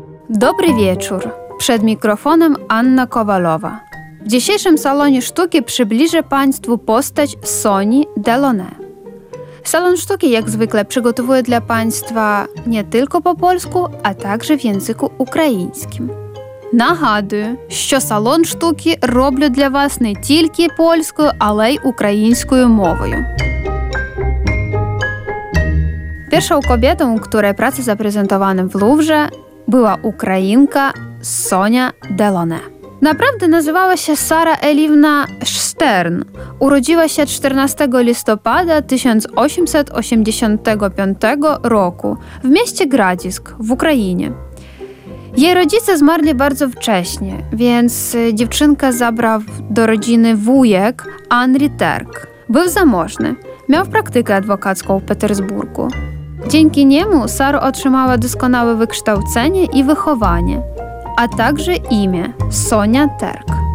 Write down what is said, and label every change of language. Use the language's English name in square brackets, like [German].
[Polish] Dobry wieczór. Przed mikrofonem Anna Kowalowa. W dzisiejszym salonie sztuki przybliżę Państwu postać Soni Delaunay. Salon sztuki, jak zwykle, przygotowuje dla Państwa nie tylko po polsku, a także w języku ukraińskim. [Ukrainian] Нагадую, що салон штуки роблю для вас не тільки польською, але й українською мовою. Перша жінка, у якій праця запрезентована в Луврі, була українка Соня Делоне. Направді називалася Сара Елівна Штерн. Уродилася 14 листопада 1885 року в місті Градськ в Україні. [Polish] Jej rodzice zmarli bardzo wcześnie, więc dziewczynkę zabrał do rodziny wujek Henri Terk. Był zamożny, miał praktykę adwokacką w Petersburgu. Dzięki niemu Sara otrzymała doskonałe wykształcenie i wychowanie, a także imię Sonia Terk.